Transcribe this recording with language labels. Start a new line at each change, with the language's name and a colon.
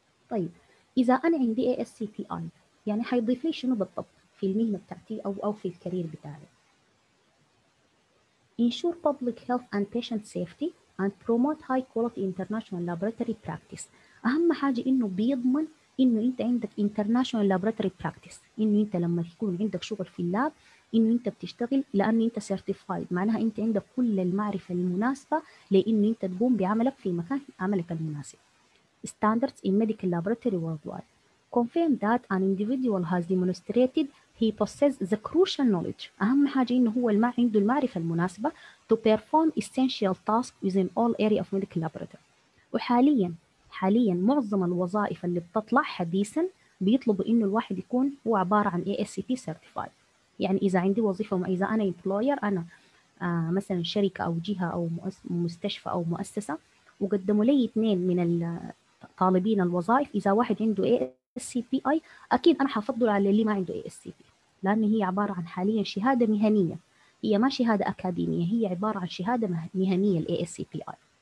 Arabic: طيب إذا أنا عندي ASCPI يعني حيضيف لي شنو بالضبط في المهنة بتاعتي أو في الكارير بتاعي؟
English: Ensure public health and patient safety and promote high quality international laboratory practice.
Arabic: أهم حاجة إنه بيضمن إنه أنت عندك
English: international laboratory practice،
Arabic: إنه أنت لما يكون عندك شغل في اللاب إنه أنت بتشتغل لأنه أنت certified، معناها أنت عندك كل المعرفة المناسبة لأنه أنت تقوم بعملك في مكان عملك المناسب.
English: Standards in medical laboratory worldwide. Confirm that an individual has demonstrated he possesses the crucial knowledge.
Arabic: أهم حاجة إنه هو ما عنده المعرفة المناسبة
English: to perform essential tasks within all areas of medical laboratory.
Arabic: وحالياً معظم الوظائف اللي بتطلع حديثاً بيطلبوا إنه الواحد يكون هو عبارة عن ASCP certified. يعني إذا عندي وظيفة، إذا أنا employer، أنا مثلاً شركة أو جهة أو مستشفى أو مؤسسة، وقدموا لي 2 من طالبين الوظائف، إذا واحد عنده ASCPI أكيد أنا حفضل على اللي ما عنده ASCPI، لأن هي عبارة عن حاليا شهادة مهنية، هي ما شهادة أكاديمية، هي عبارة عن شهادة مهنية الـ ASCPI.